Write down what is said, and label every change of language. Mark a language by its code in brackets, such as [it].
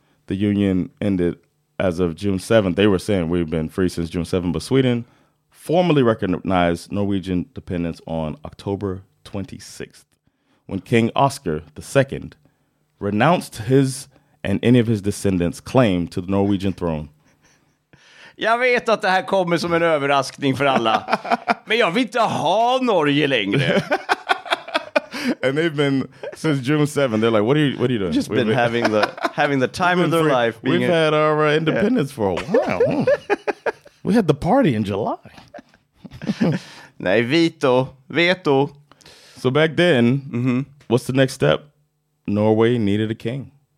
[en] the union ended as of June 7th. They were saying we've been free since June 7th, but Sweden formally recognized Norwegian independence on October 26th, when King Oscar II renounced his and any of his descendants' claim to the Norwegian throne. [sv] Jag vet att det här kommer som en överraskning för alla, men jag vill inte ha Norge längre. [en] And they've been since June 7th. They're like, what are you doing? Just been having the time of their life. We've had our independence for a while. We had the party in July. [sv] Nej, veto. [en] So back then, what's the next step? Norway needed a king.